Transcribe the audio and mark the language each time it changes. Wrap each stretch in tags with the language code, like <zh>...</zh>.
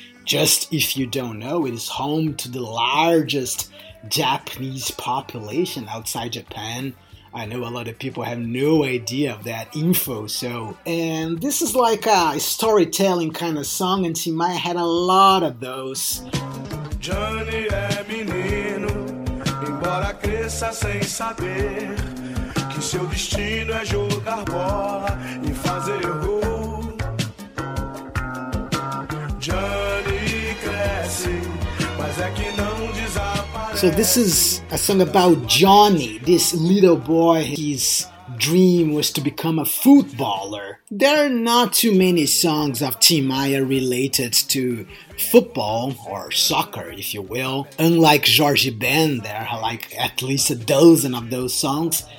<en>Just if you don't know, it is home to the largest Japanese population outside Japan. I know a lot of people have no idea of that info, so... And this is like a storytelling kind of song, and Tim Maia had a lot of those.</en> <pt>Johnny é menino, embora cresça sem saber que seu destino é jogar bola e fazer gol. Johnny cresce, mas é que não desaparece.</pt> <en>So this is a song about Johnny, this little boy. His dream was to become a footballer. There are not too many songs of Tim Maia related to football or soccer, if you will. Unlike Jorge Ben, there are like at least a dozen of those songs.</en>